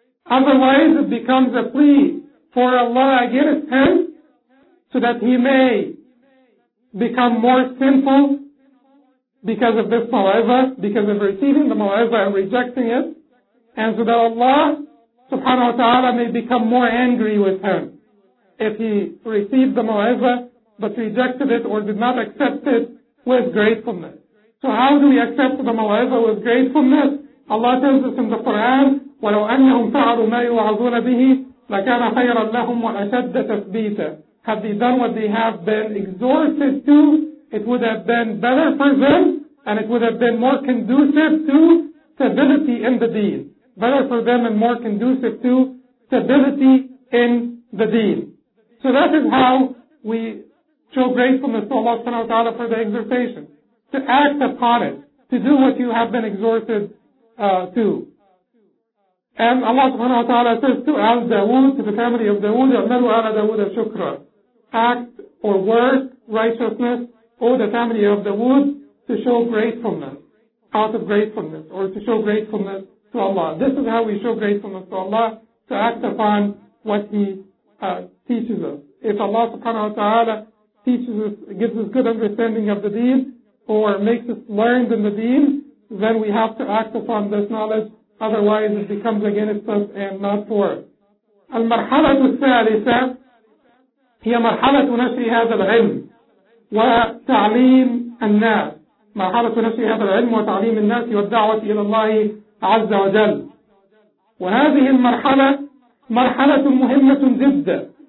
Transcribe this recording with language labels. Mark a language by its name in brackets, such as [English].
[English] Otherwise, it becomes a plea for Allah against him so that he may become more sinful because of this mawa'iza, because of receiving the mawa'iza and rejecting it, and so that Allah subhanahu wa ta'ala may become more angry with him if he received the mawa'iza but rejected it or did not accept it with gratefulness. So how do we accept the mawa'iza with gratefulness? [Arabic] Allah tells us in the Quran, وَلَوْ أَنَّهُمْ فَعَلُوا مَا يُوعَظُونَ بِهِ لَكَانَ خَيْرًا لَهُمْ وَأَشَدَّ تَثْبِيتًا. [English] Have they done what they have been exhorted to, it would have been better for them, and it would have been more conducive to stability in the deen. Better for them and more conducive to stability in the deen. So that is how we show gratefulness to Allah subhanahu wa ta'ala for the exhortation. To act upon it. To do what you have been exhorted to. And Allah subhanahu wa ta'ala says to Al Dawood, to the family of Dawood, [Arabic] يَعْمَلُوا عَلَى دَوُودَ شُكْرًا. [English] Act or work righteousness, or the family of the wood, to show gratefulness, out of gratefulness, or to show gratefulness to Allah. This is how we show gratefulness to Allah, to act upon what He teaches us. If Allah subhanahu wa ta'ala teaches us, gives us good understanding of the deen, or makes us learned in the deen, then we have to act upon this knowledge. Otherwise, it becomes against us and not for us. [Arabic] المرحلة الثالثة هي مرحلة نشر هذا العلم وتعليم الناس. مرحلة نشر هذا العلم وتعليم الناس والدعوة إلى الله عز وجل. وهذه المرحلة مرحلة مهمة جدا.